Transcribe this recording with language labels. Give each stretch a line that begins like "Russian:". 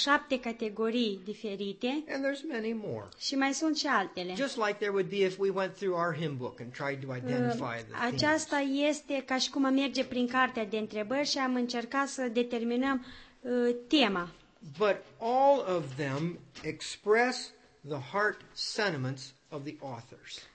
Romanian: Șapte categorii diferite.
English: And there's many more.
Romanian: Și mai sunt și altele.
English: Just like there would be if we went through our hymn book and tried to identify the themes.
Romanian: Aceasta este ca și cum am merge prin cartea de întrebări și am încercat să determinăm tema.
English: But all of them express the heart sentiments of the authors.